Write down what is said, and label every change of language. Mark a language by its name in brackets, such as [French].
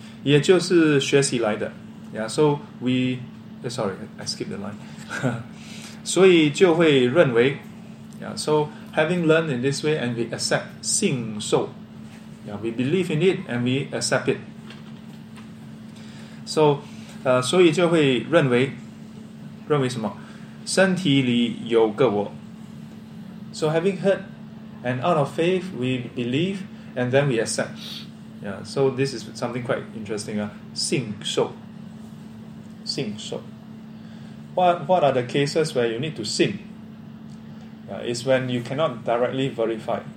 [Chinese] 也就是学习来的. [English] Yeah, so we... sorry, I skipped the line. [Chinese] 所以就会认为, [English] yeah, so having learned in this way, and we accept 信受. Yeah, we believe in it, and we accept it. [Chinese] So, 所以就会认为什么? 身体里有个我. [English] So having heard, and out of faith, we believe, and then we accept. Yeah. So this is something quite interesting. 信受. What are the cases where you need to 信? It's when you cannot directly verify.